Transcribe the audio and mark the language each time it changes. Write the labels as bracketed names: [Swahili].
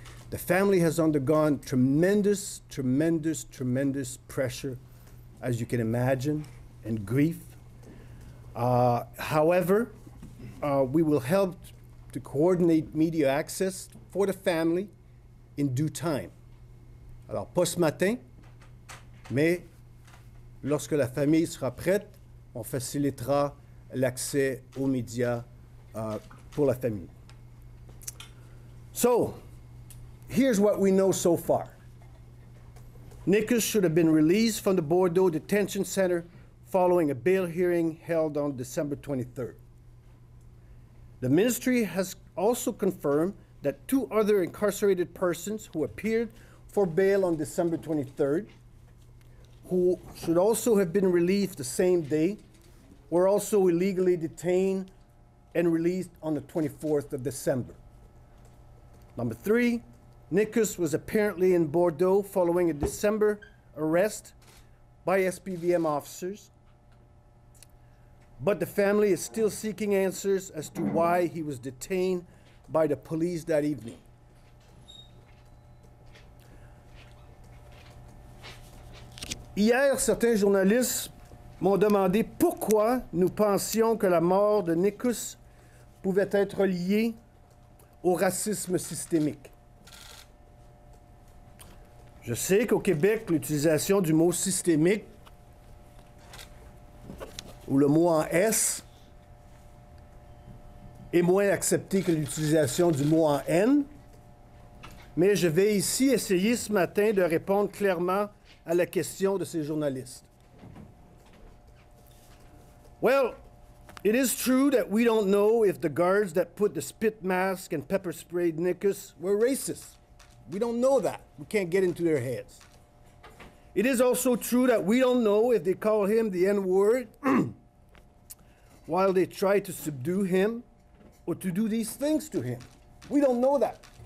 [English] The family has undergone tremendous pressure, as you can imagine, and grief. However, we will help to coordinate media access for the family in due time. [French] Alors, pas ce matin, mais lorsque la famille sera prête, on facilitera l'accès aux médias pour la famille. [English] So, here's what we know so far. Nicous should have been released from the Bordeaux Detention Center following a bail hearing held on December 23rd. The ministry has also confirmed that two other incarcerated persons who appeared for bail on December 23rd, who should also have been released the same day, were also illegally detained and released on the 24th of December. Number three, Nicous was apparently in Bordeaux following a December arrest by SPVM officers, but the family is still seeking answers as to why he was detained by the police that evening. [French] Hier, certains journalistes m'ont demandé pourquoi nous pensions que la mort de Nicous pouvait être liée au racisme systémique. Je sais qu'au Québec, l'utilisation du mot systémique ou le mot en S est moins acceptée que l'utilisation du mot en N, mais je vais ici essayer ce matin de répondre clairement à la question de ces journalistes. [English] Well, it is true that we don't know if the guards that put the spit mask and pepper sprayed Nicous were racist. We don't know that. We can't get into their heads. It is also true that we don't know if they call him the N-word while they try to subdue him or to do these things to him. We don't know that.